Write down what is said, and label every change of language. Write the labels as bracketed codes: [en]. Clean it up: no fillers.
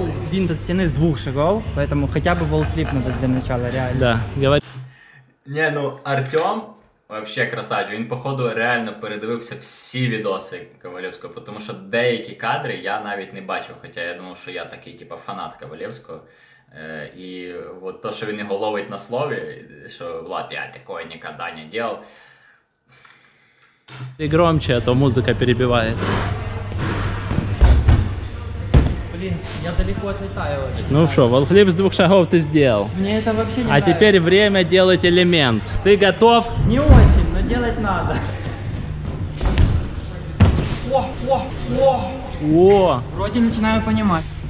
[ru] Винт от стены с двух шагов. Поэтому хотя бы волклип надо для начала, реально. Да. Не, ну, Артём, Вообще красавчик. [uk] Він, походу, реально передивився всі відоси Ковалєвського, тому що деякі кадри я навіть не бачив, хоча я думав, що я такий, типу, фанат Ковалєвського. І от то, що він його ловить на слові, що «Влад, я такого ніколи не діяв». [ru] І громче, а то [uk] музика перебиває. [ru] Я далеко отлетаю. Ну что, волхлеб с двух шагов ты сделал. Мне это вообще не а нравится. Теперь время делать элемент. Ты готов? Не очень, но делать надо. О, о, о. О. Вроде начинаю понимать.